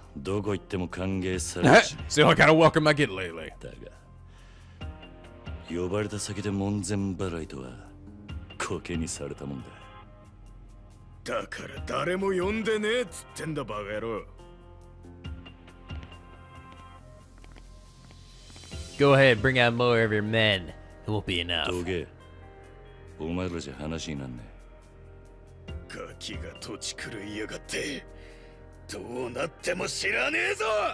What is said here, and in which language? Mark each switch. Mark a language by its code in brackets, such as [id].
[ja] どこ行っても歓迎されしない。 [en] See how I gotta welcome my kid lately. [ja] だが、呼ばれた先で門前払いとは、コケにされたもんだ。だから誰も呼んでねえっつってんだ、バカ野郎。 [en] Go ahead, bring out more of your men. It won't be enough. [ja] どげ、お前らじゃ話になんねえ。ガキが土地狂いやがって。どうなっても知らねえぞ。